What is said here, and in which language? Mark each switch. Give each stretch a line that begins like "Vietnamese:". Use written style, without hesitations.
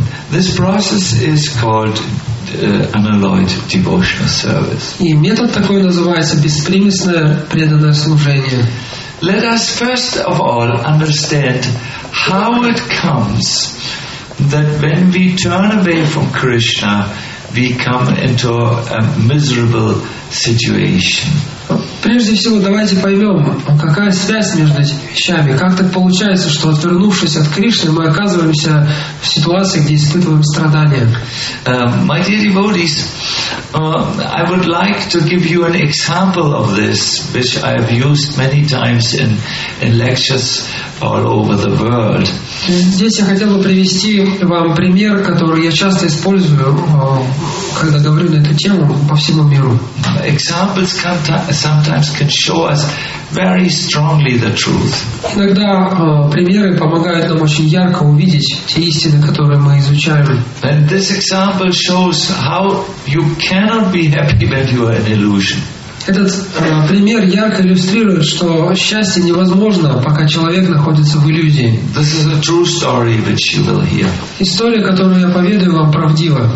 English: This process is called unalloyed devotional service.
Russian: И метод такой называется беспримесное преданное служение.
English: Let us first of all understand how it comes that when we turn away from Krishna, we come into a miserable situation.
Russian: Прежде всего, давайте поймем, какая связь между этими вещами. Как так получается, что отвернувшись от Кришны, мы оказываемся в ситуации, где испытываем страдания?
English: My dear devotees, I would like to give you an example of this, which I have used many times in lectures all over the world.
Russian: Здесь я хотел бы привести вам пример, который я часто использую, когда говорю на эту тему по всему миру.
English: Examples sometimes can show us very strongly the truth.
Russian: Иногда примеры помогают нам очень ярко увидеть те истины, которые мы изучаем.
English: And this example shows how you cannot be happy when you are an illusion.
Russian: Этот пример ярко иллюстрирует, что счастье невозможно, пока человек находится в иллюзии.
English: This is a true story which you will hear.
Russian: История, которую я поведаю вам, правдива.